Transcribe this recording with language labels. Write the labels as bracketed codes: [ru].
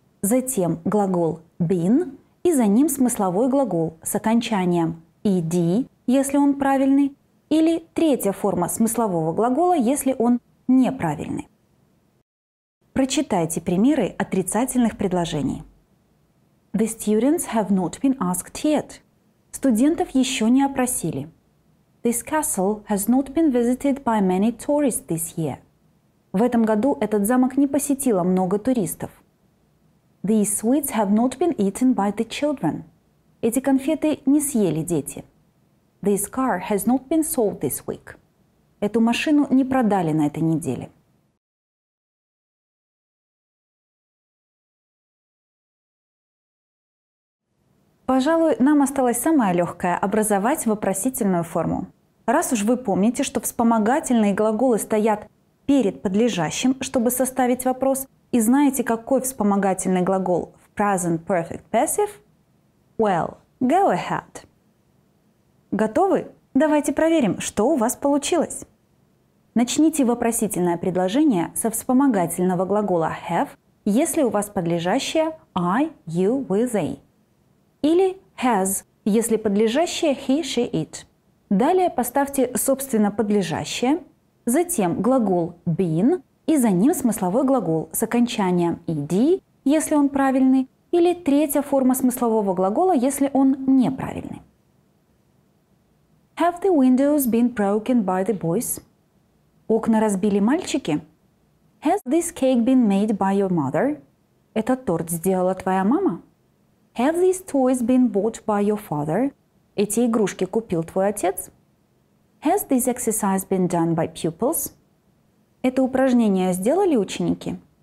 [ru] Затем глагол been и за ним смысловой глагол с окончанием ed, если он правильный, или третья форма смыслового глагола, если он неправильный. Прочитайте примеры отрицательных предложений. [en] The students have not been asked yet. [ru] Студентов еще не опросили. [en] This castle has not been visited by many tourists this year. [ru] В этом году этот замок не посетило много туристов. [en] These sweets have not been eaten by the children. [ru] Эти конфеты не съели дети. [en] This car has not been sold this week. [ru] Эту машину не продали на этой неделе. Пожалуй, нам осталось самое легкое – образовать вопросительную форму. Раз уж вы помните, что вспомогательные глаголы стоят перед подлежащим, чтобы составить вопрос, и знаете, какой вспомогательный глагол в present perfect passive? [en] Well, go ahead. [ru] Готовы? Давайте проверим, что у вас получилось. Начните вопросительное предложение со вспомогательного глагола have, если у вас подлежащее I, you, we, they. Или has, если подлежащее he, she, it. Далее поставьте, собственно, подлежащее, затем глагол been и за ним смысловой глагол с окончанием ed, если он правильный, или третья форма смыслового глагола, если он неправильный. [en] Have the windows been broken by the boys? [ru] Окна разбили мальчики? [en] Has this cake been made by your mother? [ru] Этот торт сделала твоя мама? [en] Have these toys been bought by your father? [ru] Эти игрушки купил твой отец? [en] Has this exercise been done by pupils? [ru] Это упражнение сделали ученики?